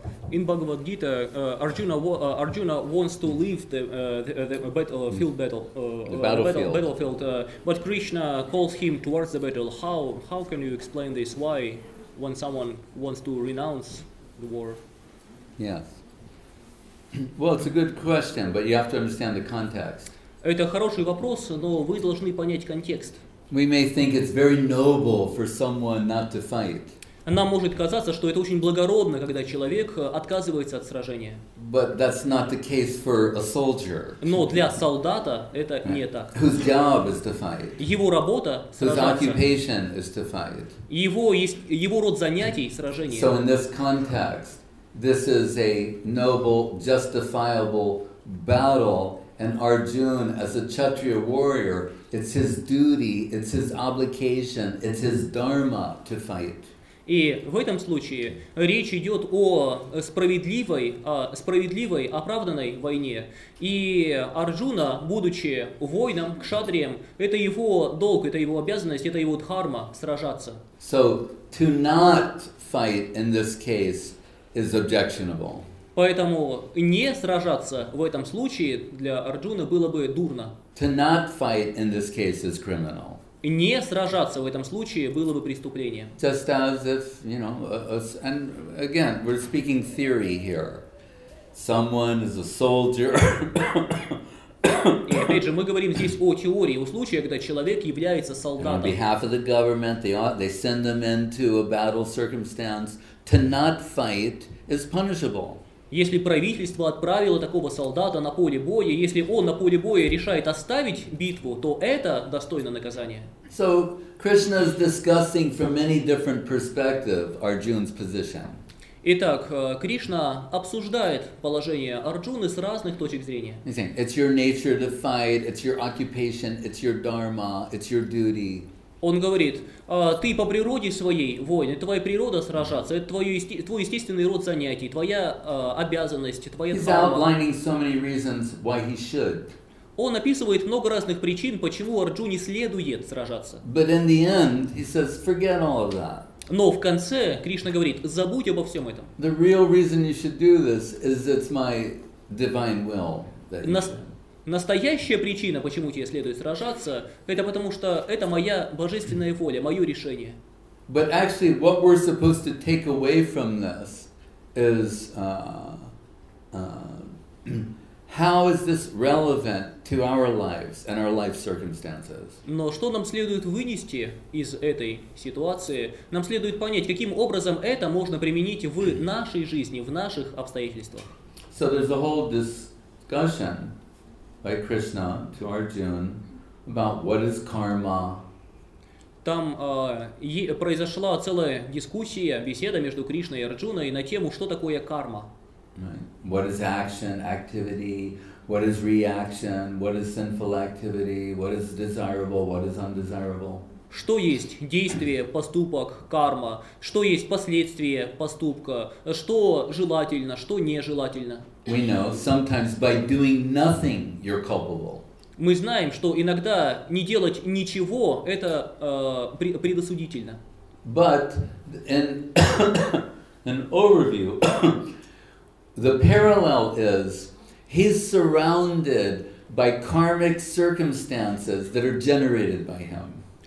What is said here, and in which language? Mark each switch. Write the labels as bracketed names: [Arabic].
[English] In Bhagavad Gita, Arjuna wants to leave the battlefield, but Krishna calls him towards the battle. How can you explain this? Why, when someone wants to renounce the war? Yes. Well, it's a good question, but you have to understand the context. [Russian] Это хороший вопрос, но вы должны понять контекст. [English] We may think it's very noble for someone not to fight. [Russian] Нам может казаться, что это очень благородно, когда человек отказывается от сражения. [English] But that's not the case for a soldier. [Russian] Но для солдата это [English] right. [Russian] не так. [English] Whose job is to fight? [Russian] Его работа [English] Whose [Russian] сражаться. [English] Whose occupation is to fight? [Russian] Его род занятий сражение. [English] So in this context, this is a noble, justifiable battle, and Arjuna, as a Kshatriya warrior, it's his duty, it's his obligation, it's his dharma to fight. [Russian] И в этом случае речь идет о справедливой, оправданной войне. И Арджуна, будучи воином, кшатрием, это его долг, это его обязанность, это его дхарма сражаться. [English] So to not fight in this case is objectionable. [Russian] Поэтому не сражаться в этом случае для Арджуны было бы дурно. [English] To not fight in this case is criminal. [Russian] Не сражаться в этом случае было бы преступлением. [English] Just as if, you know, and again, we're speaking theory here. Someone is a soldier. [Russian] И опять же, мы говорим здесь о теории, о случае, когда человек является солдатом. [English] And on behalf of the government, they send them into a battle circumstance. To not fight is punishable. [Russian] Если правительство отправило такого солдата на поле боя, если он на поле боя решает оставить битву, то это достойно наказания. [English] So Krishna is discussing from many different perspectives Arjuna's position. [Russian] Итак, Кришна обсуждает положение Арджуны с разных точек зрения. [English] He's saying, it's your nature to fight, it's your occupation, it's your dharma, it's your duty. [Russian] Он говорит, ты по природе своей воин, это твоя природа сражаться, это твой естественный род занятий, твоя обязанность, твоя [English] He's дхарма. Outlining so many reasons why he should. [Russian] Он описывает много разных причин, почему Арджуне следует сражаться. [English] But in the end, he says, forget all of that. [Russian] Но в конце Кришна говорит, забудь обо всем этом. [English] The real reason you should do this is it's my divine will that you should. [Russian] Настоящая причина, почему тебе следует сражаться, это потому что это моя божественная воля, мое решение. [English] But actually, what we're supposed to take away from this is how is this relevant to our lives and our life circumstances? [Russian] Но что нам следует вынести из этой ситуации? Нам следует понять, каким образом это можно применить в нашей жизни, в наших обстоятельствах. [English] So there's a whole discussion by Krishna to Arjuna about what is karma. [Russian] Там произошла целая дискуссия, беседа между Кришной и Арджуной на тему, что такое карма. [English] Right. What is action, activity, what is reaction, what is sinful activity, what is desirable, what is undesirable. [Russian] Что есть действие, поступок, карма? Что есть последствия поступка? Что желательно, что нежелательно? [English] We know sometimes by doing nothing you're culpable. [Russian] Мы знаем, что иногда не делать ничего – это предосудительно. [English] But in an overview, the parallel is he's surrounded by karmic circumstances that are generated by him.